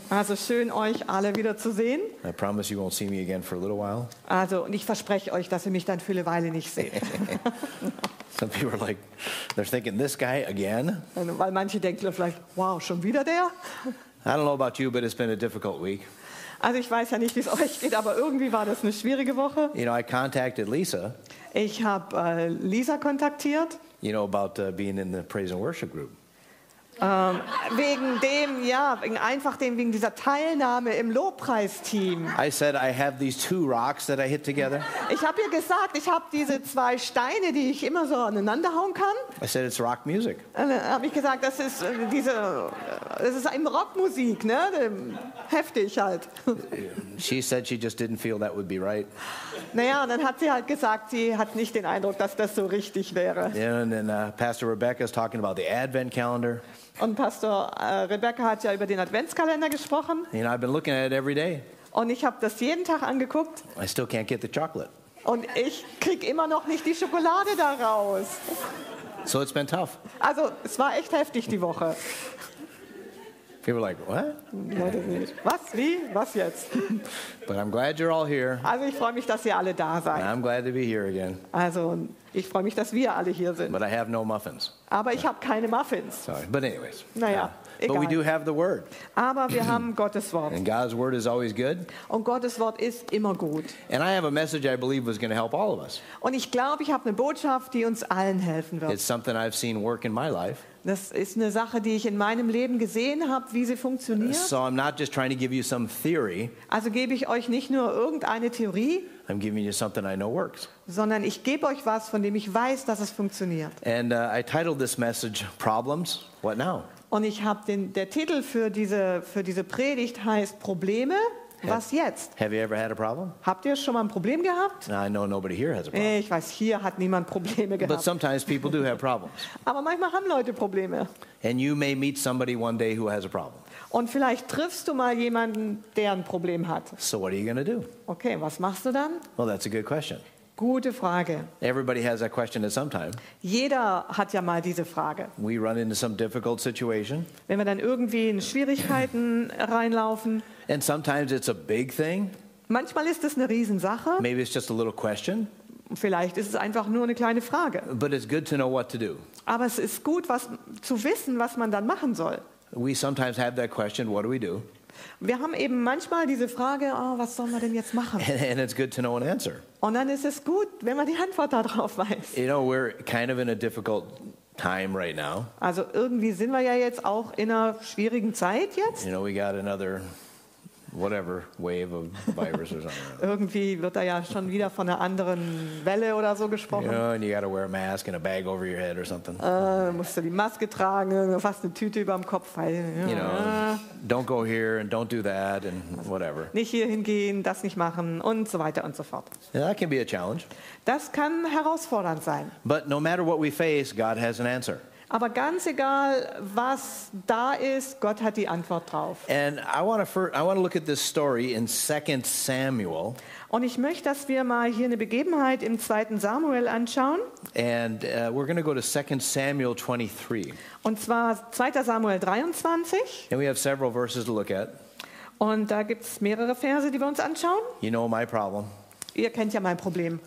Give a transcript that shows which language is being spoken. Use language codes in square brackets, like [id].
[de] Also schön, euch alle wieder zu sehen. [en] I promise you won't see me again for a little while. [de] Also, und ich verspreche euch, dass ihr mich dann für eine Weile nicht seht. [en] Some people are like, they're thinking, this guy again? [de] Weil manche denken vielleicht, wow, schon wieder der? [en] I don't know about you, but it's been a difficult week. [de] Also ich weiß ja nicht, wie es euch geht, aber irgendwie war das eine schwierige Woche. [en] You know, I contacted Lisa. [de] Ich habe Lisa kontaktiert. [en] You know, about being in the praise and worship group. [de] Wegen dem, ja, einfach dem, wegen dieser Teilnahme im Lobpreisteam. [en] I said, I have these two rocks that I hit together. [de] Ich habe ihr gesagt, ich habe diese zwei Steine, die ich immer so aneinander hauen kann. [en] I said, it's rock music. [de] Habe ich gesagt, das ist diese, das ist eben Rockmusik, ne? Heftig halt. [en] She said she just didn't feel that would be right. [de] Naja, dann hat sie halt gesagt, sie hat nicht den Eindruck, dass das so richtig wäre. [en] Yeah, and then Pastor Rebecca is talking about the Advent calendar. [de] Und Pastor Rebecca hat ja über den Adventskalender gesprochen. [en] You know, I've been looking at it every day. [de] Und ich habe das jeden Tag angeguckt. [en] I still can't get the chocolate. [de] Und ich kriege immer noch nicht die Schokolade da raus. [en] So it's been tough. [de] Also es war echt heftig die Woche. [en] People are like, what? [de] Leute, was? Wie? Was jetzt? [en] But I'm glad you're all here. [de] Also ich freue mich, dass ihr alle da seid. [en] I'm glad to be here again. [de] Also ich freue mich, dass wir alle hier sind. [en] But I have no muffins. [de] Aber ich habe keine Muffins. [en] Sorry, but anyways. [de] Naja, egal. [en] But we do have the Word. [de] Aber wir haben Gottes Wort. [en] And God's Word is always good. [de] Und Gottes Wort ist immer gut. [en] And I have a message I believe was going to help all of us. [de] Und ich glaube, ich habe eine Botschaft, die uns allen helfen wird. [en] It's something I've seen work in my life. [de] Das ist eine Sache, die ich in meinem Leben gesehen habe, wie sie funktioniert. [en] So I'm not just trying to give you some theory. [de] Also gebe ich euch nicht nur irgendeine Theorie. [en] I'm giving you something I know works. [de] Sondern ich gebe euch was, von dem ich weiß, dass es funktioniert. [en] And I titled this message Problems, What Now? [de] Und ich habe der Titel für diese Predigt heißt Probleme, was jetzt? [en] Have you ever had a problem? [de] Habt ihr schon mal ein Problem gehabt? [en] I know nobody here has a problem. [de] Ich weiß, hier hat niemand Probleme gehabt. [en] But sometimes people do have problems. [de] Aber manchmal haben Leute Probleme. [en] And you may meet somebody one day who has a problem. [de] Und vielleicht triffst du mal jemanden, der ein Problem hat. [en] So what are you going to do? [de] Okay, was machst du dann? [en] Well, that's a good question. [de] Gute Frage. [en] Everybody has that question at some time. [de] Jeder hat ja mal diese Frage. [en] We run into some difficult situation. [de] Wenn wir dann irgendwie in Schwierigkeiten reinlaufen. [en] And sometimes it's a big thing. [de] Manchmal ist es eine Riesensache. [en] Maybe it's just a little question. [de] Vielleicht ist es einfach nur eine kleine Frage. [en] But it's good to know what to do. [de] Aber es ist gut, zu wissen, was man dann machen soll. [en] We sometimes have that question, what do we do? [de] Wir haben eben manchmal diese Frage, oh, was sollen wir denn jetzt machen? [en] And it's good to know an answer. [de] Und dann ist es gut, wenn man die Antwort darauf weiß. [en] You know, we're kind of in a difficult time right now. [de] Also irgendwie sind wir ja jetzt auch in einer schwierigen Zeit jetzt. [en] You know, we got another whatever wave of virus or something. [de] Irgendwie wird da ja schon wieder von einer anderen Welle oder so gesprochen. [en] You know, and you got to wear a mask and a bag over your head or something. [de] Musst du die Maske tragen, fast eine Tüte über dem Kopf. Weil, [en] you know, don't go here and don't do that and whatever. [de] Nicht hier hingehen, das nicht machen und so weiter und so fort. [en] Yeah, that can be a challenge. [de] Das kann herausfordernd sein. [en] But no matter what we face, God has an answer. [de] Aber ganz egal, was da ist, Gott hat die Antwort drauf. [en] And I want to look at this story in 2 Samuel. [de] Und ich möchte, dass wir mal hier eine Begebenheit im 2. Samuel anschauen. [en] And we're going to go to 2 Samuel 23. [de] Und zwar 2. Samuel 23. [en] And we have several verses to look at. [de] Und da gibt es mehrere Verse, die wir uns anschauen. [en] You know my problem. [de] Ihr kennt ja mein Problem.